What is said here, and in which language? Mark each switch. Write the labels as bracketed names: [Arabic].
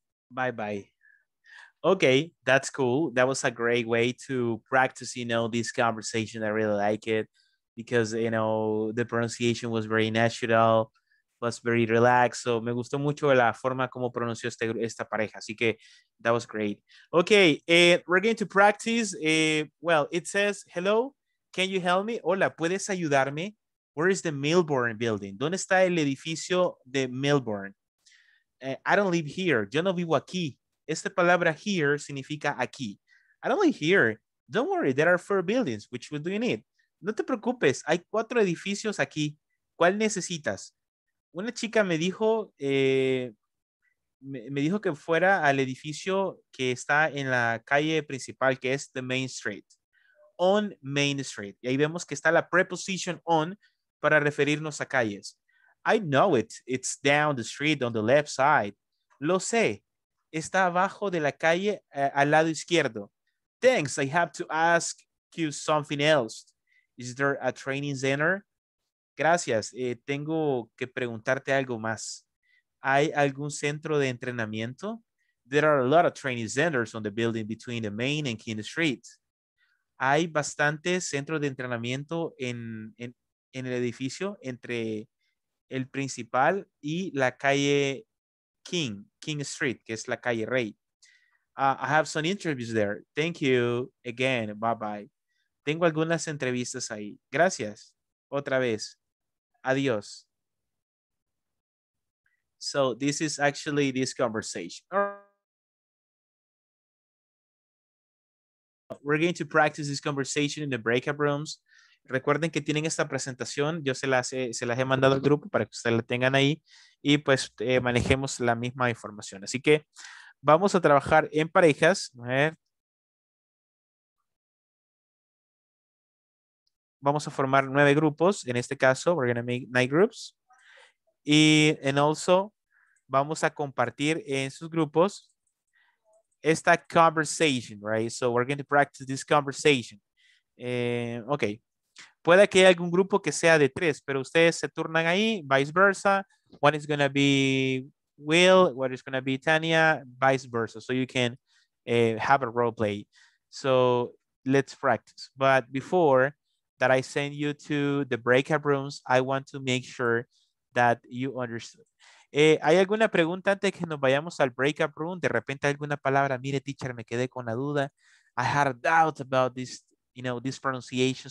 [English] Bye-bye. Okay, that's cool. That was a great way to practice, you know, this conversation. I really like it because, you know, the pronunciation was very natural, was very relaxed. [Spanish] So me gustó mucho la forma como pronunció esta pareja. Así que [English] that was great. Okay, we're going to practice. Well, it says, hello, can you help me? [Spanish] Hola, ¿puedes ayudarme? [English] Where is the Melbourne building? [Spanish] ¿Dónde está el edificio de Melbourne? [English] I don't live here. [Spanish] Yo no vivo aquí. Esta palabra here significa aquí. [English] I don't live here. Don't worry, there are four buildings. Which one do you need? [Spanish] No te preocupes, hay cuatro edificios aquí. ¿Cuál necesitas? Una chica me dijo que fuera al edificio que está en la calle principal, que es the Main Street. [English] On Main Street. [Spanish] Y ahí vemos que está la preposición on para referirnos a calles. [English] I know it. It's down the street on the left side. [Spanish] Lo sé. Está abajo de la calle al lado izquierdo. [English] Thanks. I have to ask you something else. Is there a training center? [Spanish] Gracias. Tengo que preguntarte algo más. ¿Hay algún centro de entrenamiento? [English] There are a lot of training centers on the building between the Main and King Street. [Spanish] ¿Hay bastantes centros de entrenamiento en el edificio entre el principal y la calle King Street, que es la calle Rey? [English] I have some interviews there. Thank you again. Bye-bye. [Spanish] Tengo algunas entrevistas ahí. Gracias. Otra vez. Adios. [English] So this is actually this conversation. We're going to practice this conversation in the breakout rooms. [Spanish] Recuerden que tienen esta presentación. Yo se las he mandado al grupo para que ustedes la tengan ahí. Y pues manejemos la misma información. Así que vamos a trabajar en parejas. Vamos a formar 9 grupos. En este caso, [English] we're going to make 9 groups. And also, [Spanish] vamos a compartir en sus grupos esta [English] conversation, right? So we're going to practice this conversation. Okay. [Spanish] Puede que haya algún grupo que sea de tres, pero ustedes se turnan ahí, vice versa. [English] One is going to be Will, what is going to be Tania, vice versa. So you can have a role play. So let's practice. But before that I send you to the breakout rooms, I want to make sure that you understood. [Spanish] ¿Hay alguna pregunta antes que nos vayamos al breakout room? De repente alguna palabra, mire teacher, me quedé con la duda. [English] I had a doubt about this, you know, this pronunciation.